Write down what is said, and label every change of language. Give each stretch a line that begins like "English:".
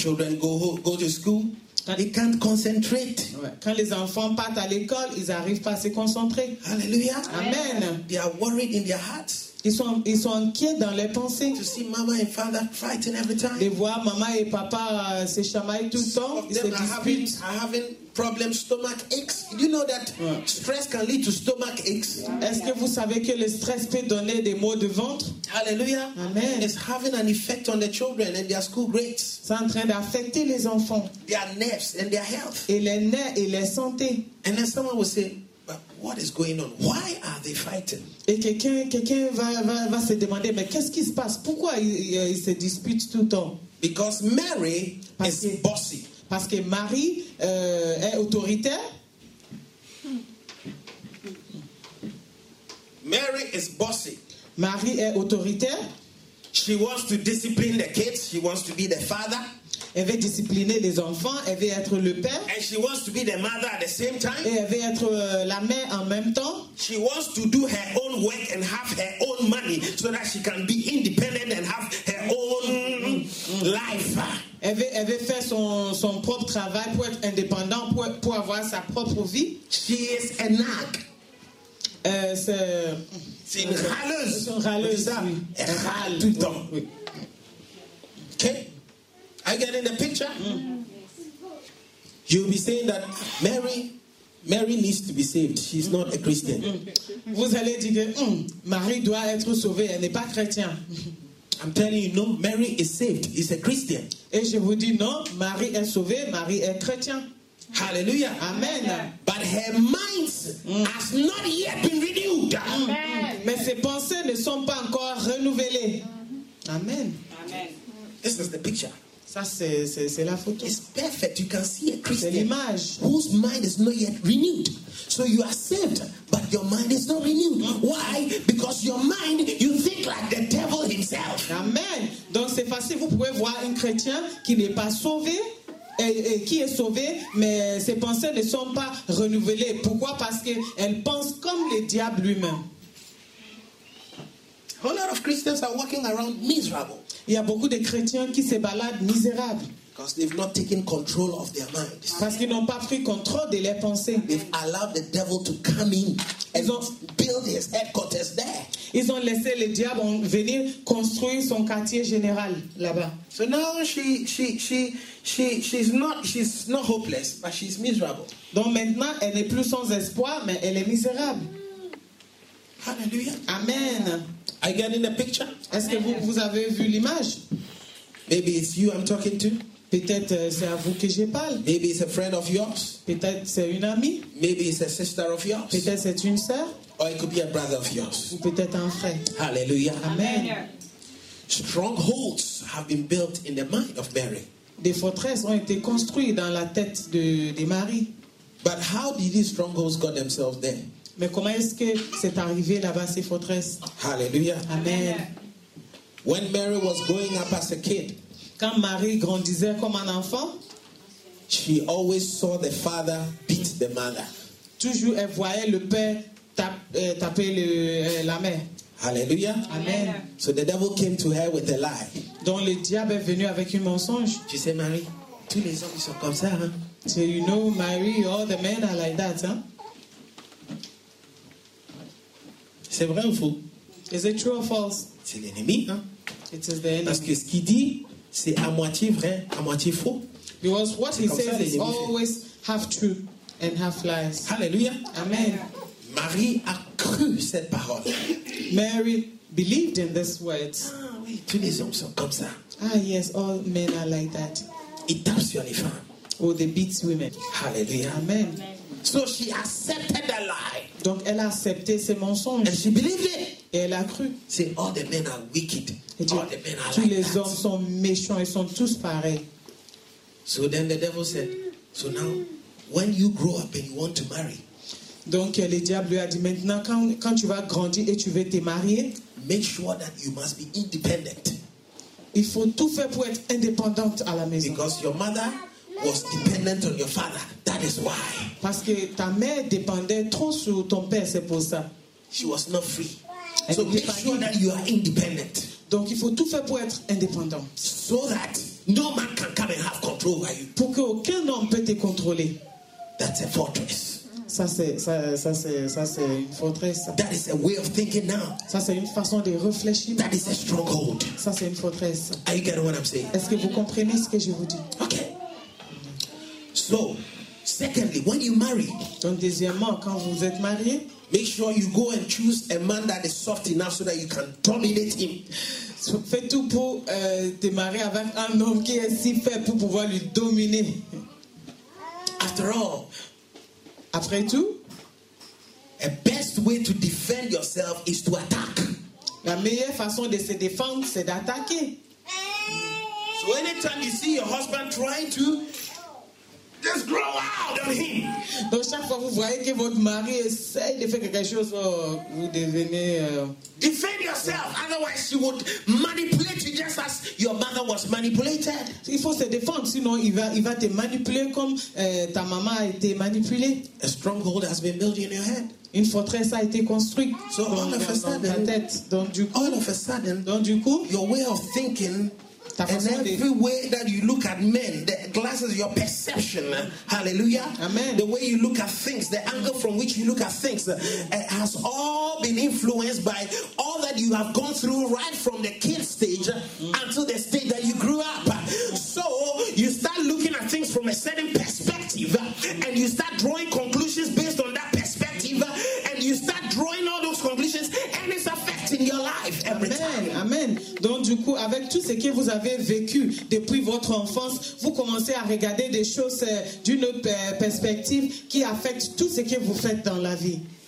English: When the children go to school, they can't concentrate.
French: Quand les enfants partent à l'école, ils n'arrivent pas à se concentrer.
English: Hallelujah. Amen. They are worried in their hearts.
French: Ils sont inquiets dans leurs pensées.
English: To see mama and father fighting every time.
French: De voir maman et papa se chamailler tout le temps. Ils se disputent.
English: Having problem stomach aches. Do you know that stress can lead to stomach aches?
French: Est-ce que vous savez que le stress peut donner des maux de ventre?
English: Hallelujah. Amen. It's having an effect on the children and their school grades.
French: C'est en train d'affecter les enfants.
English: Their nerves and their health.
French: Et les nerfs et leur santé.
English: And then someone will say, but what is going on? Why are they fighting?
French: Et quelqu'un va se demander, mais qu'est-ce qui se passe? Pourquoi ils se disputent tout le temps?
English: Because Mary is bossy.
French: Parce que Marie est autoritaire.
English: Mary is bossy.
French: Marie est autoritaire.
English: She wants to discipline the kids. She wants to be the father.
French: Elle veut discipliner les enfants, elle veut être le père.
English: And she wants to be the mother at the same time.
French: Et elle veut être la mère en même temps.
English: She wants to do her own work and have her own money so that she can be independent and have her own life.
French: Elle veut faire son propre travail pour être indépendant, pour avoir sa propre vie.
English: She is a nag.
French: C'est une râleuse. C'est une râleuse. Oui. Elle râle tout le temps. Oui.
English: Okay? I get in the picture.
French: Mm.
English: You'll be saying that Mary needs to be saved. She's not a Christian.
French: Vous allez dire Marie doit être sauvée. Elle n'est pas chrétien.
English: I'm telling you, no. Mary is saved. She's a Christian.
French: Et je vous dis non. Marie est sauvée. Marie est chrétien.
English: Hallelujah. Amen. But her mind has not yet been renewed. Amen.
French: Mais ses pensées ne sont pas encore renouvelées.
English: Amen. Amen. This is the picture.
French: Ça, c'est la photo.
English: It's perfect. You can see a Christian.
French: C'est l'image.
English: Whose mind is not yet renewed. So you are saved, but your mind is not renewed. Why? Because your mind, you think like the devil himself.
French: Amen. Donc, c'est facile. Vous pouvez voir un chrétien qui n'est pas sauvé, et qui est sauvé, mais ses pensées ne sont pas renouvelées. Pourquoi? Parce qu'elle pense comme le diable lui-même.
English: A lot of Christians are walking around miserable.
French: Il y a beaucoup de chrétiens qui se baladent misérables.
English: Because they've not taken control of their mind.
French: Parce qu'ils n'ont pas pris contrôle de leurs pensées.
English: They've allowed the devil to come in and build his headquarters there.
French: Ils ont laissé le diable venir construire son quartier général là-bas.
English: So now she's not hopeless, but she's miserable.
French: Donc maintenant elle n'est plus sans espoir, mais elle est misérable.
English: Hallelujah. Amen. I get in the picture.
French: Est-ce que vous avez vu l'image?
English: Maybe it's you I'm talking to.
French: Peut-être c'est à vous que je parle.
English: Maybe it's a friend of yours.
French: Peut-être c'est une amie.
English: Maybe it's a sister of yours.
French: Peut-être c'est une sœur.
English: Or it could be a brother of yours.
French: Ou peut-être un frère.
English: Hallelujah. Amen. Strongholds have been built in the mind of Mary.
French: Des forteresses ont été construites dans la tête de Marie.
English: But how did these strongholds got themselves there?
French: Mais comment est-ce que c'est arrivé là-bas ces forteresses?
English: Hallelujah. Amen. When Mary was growing up as a kid,
French: quand Marie grandissait comme un enfant,
English: she always saw the father beat the mother.
French: Toujours elle voyait le père taper la mère.
English: Hallelujah. Amen. So the devil came to her with a lie.
French: Donc le diable est venu avec un mensonge. Tu sais Marie, tous les hommes sont comme ça. Hein?
English: So you know Marie, all the men are like that.
French: Hein? C'est vrai ou faux?
English: Is it true or false?
French: C'est l'ennemi. Hein?
English: It is the enemy.
French: Parce que ce qu'il dit, c'est à moitié vrai, à moitié faux.
English: Because what c'est he says is always half true and half lies. Hallelujah. Amen.
French: Marie a cru cette parole.
English: Mary believed in this word.
French: Ah oui, tous les hommes sont comme ça.
English: Ah yes, all men are like that.
French: Ils tapent sur les femmes.
English: Oh, they beat women. Hallelujah. Amen. So she accepted the lie.
French: Donc elle a accepté ses mensonges.
English: And she believed it.
French: Et elle a cru.
English: C'est all the men are wicked. All the men are like that.
French: Tous les hommes sont méchants. Ils sont tous pareils.
English: So then the devil said, so now, when you grow up and you want to marry.
French: Donc le diable lui a dit maintenant quand tu vas grandir et tu veux te marier,
English: make sure that you must be independent.
French: Il faut tout faire pour être indépendante à la maison.
English: Because your mother was dependent on your father. That is why.
French: Parce que ta mère dépendait trop sur ton père, c'est pour ça.
English: She was not free. So make sure that you are independent.
French: Donc il faut tout faire pour être indépendant.
English: So that no man can come and have control over you.
French: Pour que aucun homme peut te contrôler.
English: That's a fortress.
French: Ça c'est une forteresse.
English: That is a way of thinking now.
French: Ça c'est une façon de réfléchir.
English: That is a stronghold.
French: Ça c'est une forteresse.
English: Are you getting what I'm saying?
French: Est-ce que vous comprenez ce que je vous dis?
English: Okay. So, secondly, when you marry.
French: Donc deuxièmement, quand vous êtes marié,
English: make sure you go and choose a man that is soft enough so that you can dominate him.
French: Faites tout pour te marier avec un homme qui est si faible pour pouvoir lui dominer.
English: After all.
French: Après tout,
English: a best way to defend yourself is to attack.
French: La meilleure façon de se défendre, c'est d'attaquer.
English: So anytime you see your husband trying to just grow out of him.
French: Donc chaque fois vous voyez que votre mari essaie de faire quelque chose, vous devenez
English: defend yourself, otherwise you would manipulate you just as your mother was manipulated.
French: Il faut se défendre, sinon il va te manipuler comme ta maman a été manipulée.
English: A stronghold has been built in your head.
French: Une forteresse a été construite.
English: So all of a sudden,
French: dans ta tête. Donc, du coup,
English: all of a sudden,
French: donc, du coup,
English: your way of thinking,
French: ta façon
English: and every way that you look at men, the glasses, your perception, hallelujah. Amen. The way you look at things, the angle from which you look at things, has all been influenced by all that you have gone through right from the kid stage until the stage that you grew up. So you start looking at things from a certain perspective and you start drawing conclusions based on that perspective and you start drawing all those conclusions and it's affecting your life every Amen. Time. Amen.
French: Donc du coup, avec tout ce que vous avez vécu depuis votre enfance, vous commencez à regarder des choses d'une autre perspective qui affecte tout ce que vous faites dans la vie.